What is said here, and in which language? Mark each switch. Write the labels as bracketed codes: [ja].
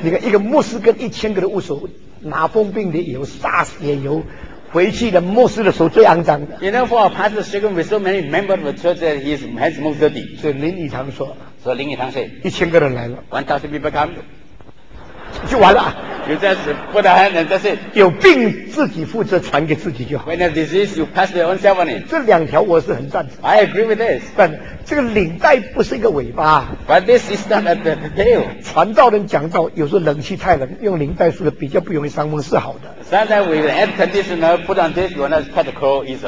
[zh] 你看一个牧师跟一千个人握手，麻风病的有 SARS 也有。回去的牧师的手最肮脏的。 [en] You know, for our pastor shaking with so many members of the church, that his hands most dirty. [zh] 所以林语堂说。所以林语堂说。一千个人来了。 [en] 1000 people come. [zh] 就完了。 [en] You just put a hand and that's it. [zh] 有病自己负责传给自己就好。 [en] When a disease, you pass your own self on it. [zh] 这两条我是很赞成。 [en] I agree with this. [zh] 但这个领带不是一个尾巴。 [en] But this is not a tail. [zh] 传道人讲道，有时候冷气太冷，用领带是比较不容易伤风，是好的。 [en] Sometimes with an air conditioner, put on this, you're not quite cold either.